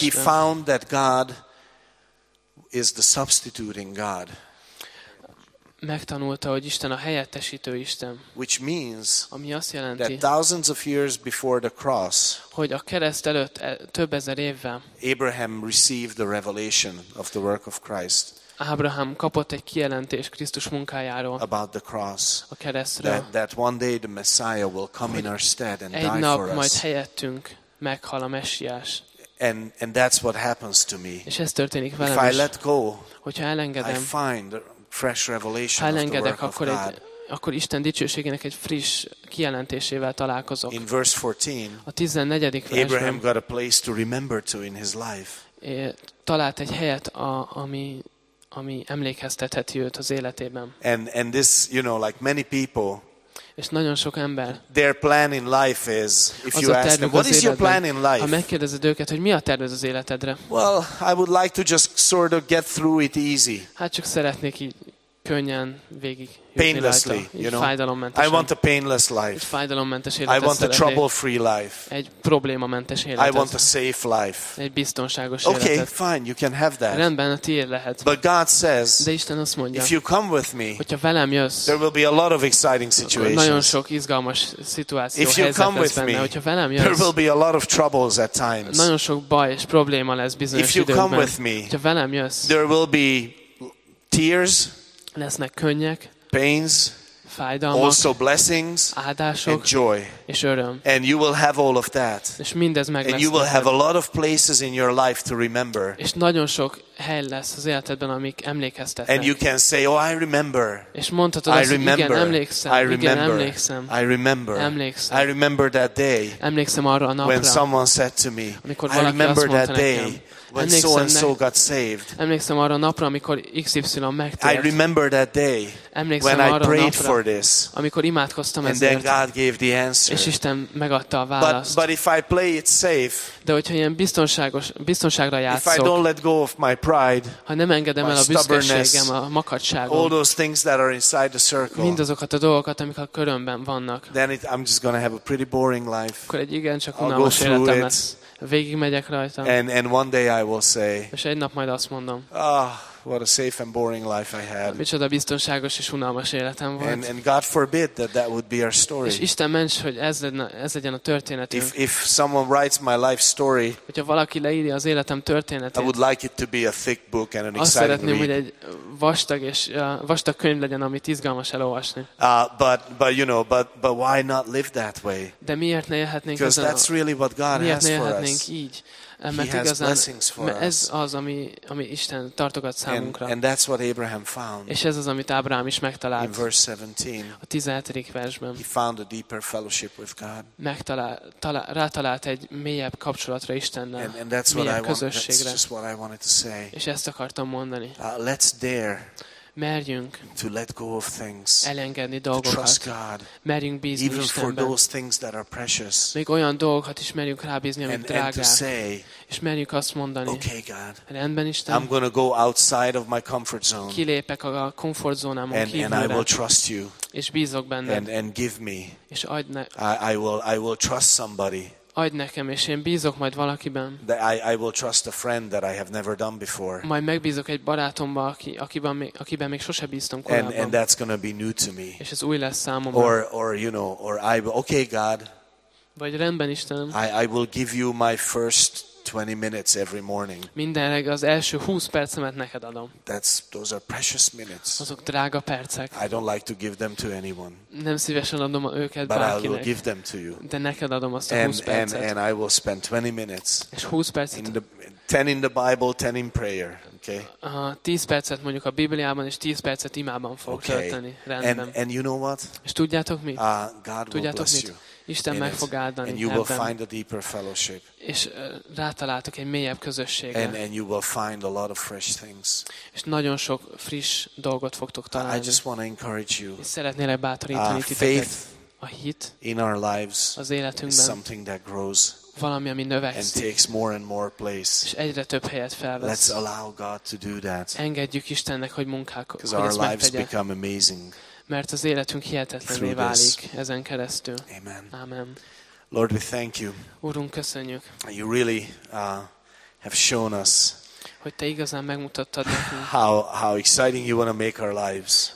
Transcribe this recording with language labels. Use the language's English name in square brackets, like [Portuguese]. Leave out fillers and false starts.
[English] He found that God is the substituting God. [Hungarian] Megtanulta, hogy Isten a helyettesítő Isten. [English] Which means, [Hungarian] ami azt jelenti, [English] that thousands of years before the cross, [Hungarian] hogy a kereszt előtt több ezer évvel, [English] Abraham received the revelation of the work of Christ. [Hungarian] Abraham kapott egy kijelentést Krisztus munkájáról. [English] About the cross. [Hungarian] A keresztről. [English] That one day the Messiah will come in our stead and die for us. [Hungarian] Egy nap majd helyettünk meghal a Messiás. [English] And that's what happens to me. [Hungarian] És ez történik velem. [English] If I let go, [Hungarian] hogyha elengedem, [English] I find fresh revelation of the work of God. [Hungarian] Akkor Isten dicsőségének egy friss kijelentésével találkozok. [English] In verse 14. [Hungarian] A 14. versben. [English] Abraham got a place to remember to in his life. [Hungarian] Talált egy helyet, ami emlékeztetheti őt az életében. [English] And this, you know, like many people. [Hungarian] És nagyon sok ember. [English] Their plan in life is, if you ask them, what is your plan in life? [Hungarian] Ha megkérdezed őket, hogy mi a terved az életedre? [English] Well, I would like to just sort of get through it easy. [Hungarian] Hát csak szeretnék így könnyen végig jutni [English] painlessly, [Hungarian] rajta, [English] you know? [Hungarian] Fájdalommentesen. [English] I want a painless life. [Hungarian] Egy fájdalommentes életet. [English] I want a trouble-free life. [Hungarian] Egy problémamentes életet. [English] I want a safe life. [Hungarian] Egy biztonságos életet. [English] Okay, fine, you can have that. [Hungarian] Rendben, a tiéd lehet. [English] But God says, [Hungarian] de Isten azt mondja, [English] if you come with me, [Hungarian] hogyha velem jössz, [English] there will be a lot of exciting situations. [Hungarian] Nagyon sok izgalmas szituáció, [English] if you come with [Hungarian] lesz benne, [English] me, [Hungarian] hogyha velem jössz, [English] there will be a lot of troubles at times. [Hungarian] Nagyon sok baj és probléma lesz bizonyos [English] if you [Hungarian] időkben. [English] Come with me, [Hungarian] hogyha velem jössz, [English] there will be tears, [Hungarian] lesznek könnyek, [English] pains, [Hungarian] fájdalmak, [English] also blessings, [Hungarian] áldások, [English] and joy, [Hungarian] és öröm. [English] And you will have all of that. [Hungarian] És mindez meg lesz. [English] And you will have a lot of places in your life to remember. [Hungarian] És nagyon sok hely lesz az életedben, amik emlékeztetnek. [English] And you can say, oh, I remember. [Hungarian] És mondhatod azt, igen, emlékszem. [English] I remember. [Hungarian] Igen, emlékszem. [English] I remember. [Hungarian] Emlékszem. [English] I remember that day. [Hungarian] Emlékszem arra a napra. [English] When someone said to me, I remember that day. When so and so got saved. [Hungarian] Emlékszem arra a napra, amikor XY megtért. [English] I remember that day. [Hungarian] Emlékszem [English] when I prayed [Hungarian] napra, [English] for this. [Hungarian] Amikor imádkoztam [English] and [Hungarian] ezért. [English] Then God gave the answer. [Hungarian] És Isten megadta a választ. [English] But if I play it safe. [Hungarian] De hogyha ilyen biztonságra játszok. [English] If I don't let go of my pride. [Hungarian] Ha nem engedem el a büszkeségem, a makacságom. [English] All those things that are inside the circle. [Hungarian] Mindazokat a dolgokat, amik a körömben vannak. [English] Then I'm just going to have a pretty boring life. [Hungarian] Akkor egy igen csak unalmas életem lesz. Végigmegyek rajta. [English] And one day I will say. [Hungarian] És egy nap majd azt mondom. [English] Ah, what a safe and boring life I had. [Hungarian] Micsoda biztonságos és unalmas életem volt. [English] And God forbid that would be our story. [Hungarian] És Isten ments, hogy ez legyen a történetünk. [English] If someone writes my life story. [Hungarian] Hogyha valaki leírja az életem történetét. [English] I would like it to be a thick book and an exciting read. [Hungarian] Azt szeretném, hogy egy vastag könyv legyen, amit izgalmas elolvasni. [English] But why not live that way? [Hungarian] De miért ne élhetnénk ezen? [English] Because that's really what God has for us. [Hungarian] Miért ne élhetnénk így? Mert [English] he [Hungarian] igazán, [English] has blessings for [Hungarian] mert ez [English] us. [Hungarian] Az, ami Isten tartogat számunkra. [English] And that's what Abraham found. [Hungarian] És ez az, amit Ábrahám is megtalált. [English] In verse 17. [Hungarian] A 17. versben. [English] He found a deeper fellowship with God. [Hungarian] Rátalált egy mélyebb kapcsolatra Istennel. [English] And that's what I [Hungarian] közösségre. [English] That's just what I wanted to say. [Hungarian] És ezt akartam mondani. [English] Let's dare. [Hungarian] Merjünk [English] to let go of things, [Hungarian] elengedni dolgokat, [English] to trust God, [Hungarian] merjünk bízni [English] even [Hungarian] Istenben, [English] for those things that are precious, [Hungarian] még olyan dolgokat is merjünk rábízni, amik drágák, [English] and to say, [Hungarian] és merjünk azt mondani, [English] okay, God, [Hungarian] rendben Isten, [English] I'm gonna go outside of my comfort zone, [Hungarian] kilépek a komfortzónámon kívülre, [English] and I will trust you, [Hungarian] és bízok benned, [English] and give me, [Hungarian] és adj nekem, [English] I will trust somebody, [Hungarian] adj nekem, és én bízok majd valakiben. [English] That I will trust a friend that I have never done before. [Hungarian] Majd megbízok egy barátomba, akiben még sose bíztam korábban. [English] And that's gonna be new to me. [Hungarian] És ez új lesz számomra. [English] Or you know, or I okay God. [Hungarian] Vagy rendben Istenem. [English] I will give you my first 20 minutes every morning. [Hungarian] Minden reggel az első 20 percemet neked adom. [English] Those are precious minutes. [Hungarian] Azok drága percek. [English] I don't like to give them to anyone. [Hungarian] Nem szívesen adom őket [English] but [Hungarian] bárkinek. [English] I will give them to you. [Hungarian] De neked adom azt a 20 percet. [English] And I will spend 20 minutes. [Hungarian] És 20 percet. [English] In the, 10 in the Bible, 10 in prayer. Okay. [Hungarian] 10 percet mondjuk a Bibliában és 10 percet imában fogok [English] okay. [Hungarian] tölteni. Rendben. [English] And you know what? [Hungarian] És tudjátok mit? [English] God [Hungarian] tudjátok [English] will [Hungarian] mit? [English] Bless you. [Hungarian] Isten meg fog áldani [English] and you will find a deeper fellowship. [Hungarian] És rátaláltok egy mélyebb közösségre. [English] And you will find a lot of fresh things. [Hungarian] És nagyon sok friss dolgot fogtok találni. [English] I just want to encourage you. [Hungarian] És szeretnélek bátorítani titeket. [English] Faith [Hungarian] a hit [English] in our lives [Hungarian] az életünkben [English] is something that grows. [Hungarian] Valami, ami növekszik. [English] And takes more and more place. [Hungarian] És egyre több helyet felvesz. [English] Let's allow God to do that. [Hungarian] Engedjük Istennek, hogy munkálkodjon. [English] Because our lives become amazing. [Hungarian] Mert az életünk hihetetlenné válik ezen keresztül. [English] Amen. [Hungarian] Amen. [English] Lord, we thank you. [Hungarian] Úrunk, köszönjük. [English] You really have shown us. [Hungarian] Hogy te igazán megmutattad nekünk. [English] How exciting you want to make our lives.